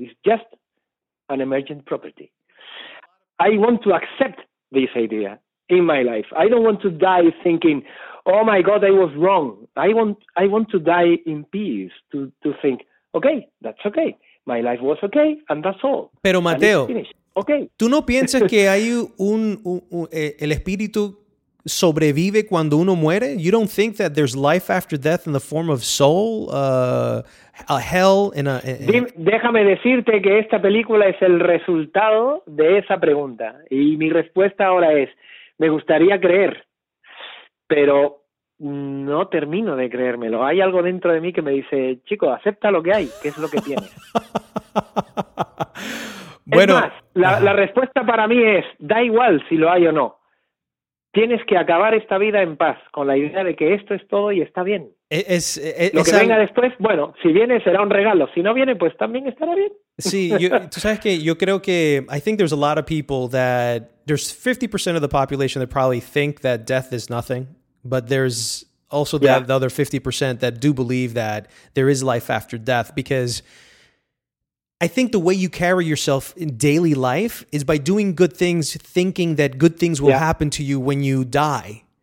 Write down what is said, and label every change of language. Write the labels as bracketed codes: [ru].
[en] It's just an emergent property. I want to accept this idea in my life. I don't want to die thinking, oh my God, I was wrong. I want to die in peace, to think, okay, that's okay. My life was okay, and that's all. [es] Pero Mateo, [en] okay. [es] ¿Tú no piensas que hay el espíritu sobrevive cuando uno muere? [en] You don't think that there's life after death in the form of soul, a hell? [es] Déjame decirte que esta película es el resultado de esa pregunta. Y mi respuesta ahora es, me gustaría creer, pero no termino de creérmelo. Hay algo dentro de mí que me dice, chico, acepta lo que hay, que es lo que tienes. Bueno, es más, la respuesta para mí es, da igual si lo hay o no. Tienes que acabar esta vida en paz, con la idea de que esto es todo y está bien. Lo que venga después, bueno, si viene será un regalo. Si no viene, pues también estará bien. Sí, tú sabes que yo creo que, [en] I think there's a lot of people that, there's 50% of the population that probably think that death is nothing. But there's also the other 50% that do believe that there is life after death, because I think the way you carry yourself in daily life is by doing good things, thinking that good things will happen to you when you die.